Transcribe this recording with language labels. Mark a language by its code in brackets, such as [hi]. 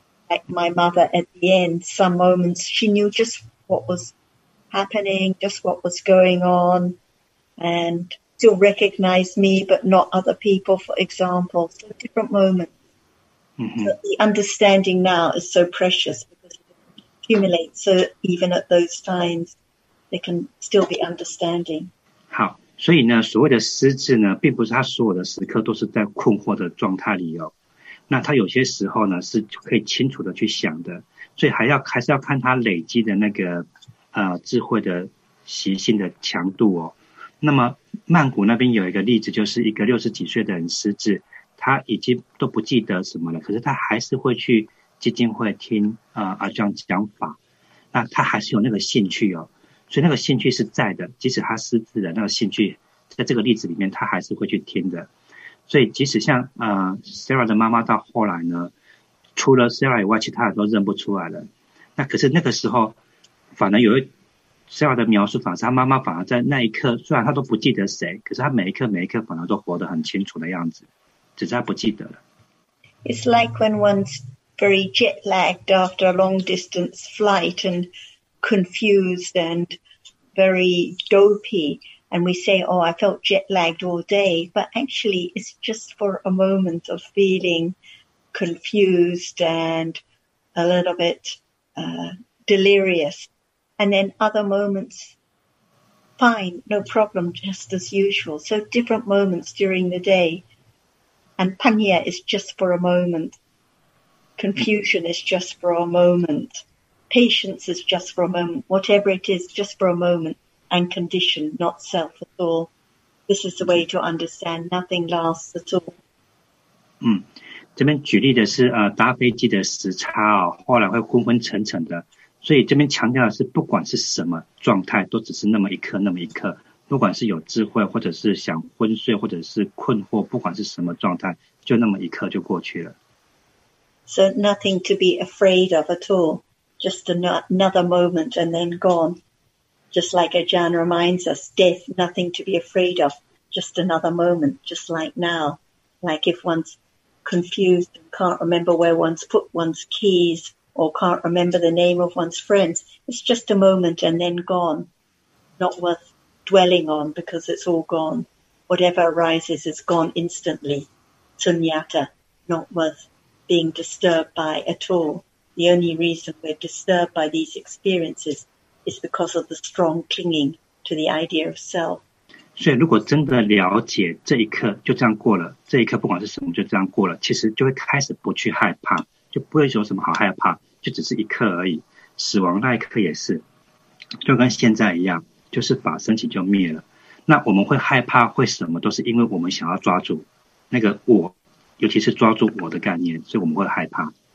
[en] Like my mother at the end, some moments she knew just what was happening, just what was going on, and still recognized me, but not other people, for example. So different moments. Mm-hmm. The understanding now is so precious because it accumulates. So even at those times, there can still be understanding. [zh] 好，所以呢，所谓的失智呢，并不是他所有的时刻都是在困惑的状态里哦。那他有些时候呢，是可以清楚的去想的。所以还是要看他累积的那个智慧的习性的强度哦。那么曼谷那边有一个例子，就是一个60几岁的人失智。他已经都不记得什么了，可是他还是会去基金会听阿姜讲法，那他还是有那个兴趣哦，所以那个兴趣是在的，即使他失智的那个兴趣在这个例子里面他还是会去听的。所以即使像Sarah 的妈妈到后来呢，除了 Sarah 以外其他人都认不出来了，那可是那个时候反而有一 Sarah 的描述，反而是他妈妈反而在那一刻，虽然他都不记得谁，可是他每一刻每一刻反而都活得很清楚的样子，只是他不记得了。 [en] It's like when one's very jet lagged after a long distance flight and confused and very dopey, and we say, oh, I felt jet lagged all day, but actually it's just for a moment of feeling confused and a little bit delirious, and then other moments, fine, no problem, just as usual. So different moments during the day, and panya is just for a moment, confusion is just for a moment, patience is just for a moment, whatever it is, just for a moment, and condition, not self at all. This is the way to understand nothing lasts at all. [zh] 这边举例的是搭飞机的时差哦，后来会昏昏沉沉的，所以这边强调的是不管是什么状态都只是那么一刻那么一刻，不管是有智慧或者是想昏睡或者是困惑，不管是什么状态就那么一刻就过去了。 [en] So nothing to be afraid of at all, just another moment and then gone, just like Ajahn reminds us, death, nothing to be afraid of, just another moment, just like now, like if one'sconfused and can't remember where one's put one's keys or can't remember the name of one's friends, it's just a moment and then gone, not worth dwelling on because it's all gone, whatever arises is gone instantly, sunyata, not worth being disturbed by at all. The only reason we're disturbed by these experiences is because of the strong clinging to the idea of self. [zh] 所以如果真的了解这一刻就这样过了，这一刻不管是什么就这样过了，其实就会开始不去害怕，就不会有什么好害怕，就只是一刻而已。死亡那一刻也是，就跟现在一样，就是法升起就灭了。那我们会害怕会什么，都是因为我们想要抓住那个我，尤其是抓住我的概念，所以我们会害怕。